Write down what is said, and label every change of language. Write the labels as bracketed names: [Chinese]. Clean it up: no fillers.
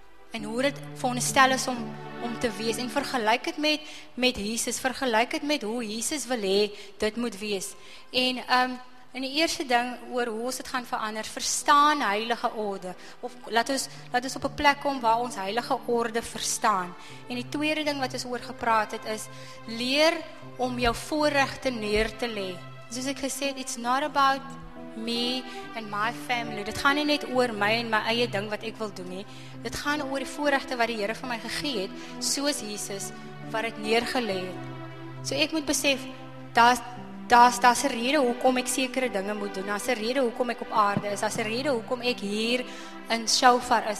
[Afrikaans] En hoe dit veronderstel is om te wees, en vergelyk het met Jesus, vergelyk het met hoe Jesus wil hê, dit moet wees. En die eerste ding, oor hoe ons het gaan verander, verstaan heilige orde, of laat ons op 'n plek kom, waar ons heilige orde verstaan. En die tweede ding, wat ons oor gepraat het, is, leer om jou voorregte neer te lê. Soos ek gesê, [English] it's not about me and my family. [Afrikaans] Dit gaan nie net oor my en my eie ding wat ek wil doen nie. Dit gaan oor die voorregte wat die Here vir my gegee het, soos Jesus wat dit neergelê het. So ek moet besef, daar's 'n rede hoekom ek sekere dinge moet doen. Daar's 'n rede hoekom ek op aarde is. Daar's 'n rede hoekom ek hier in Shofar is.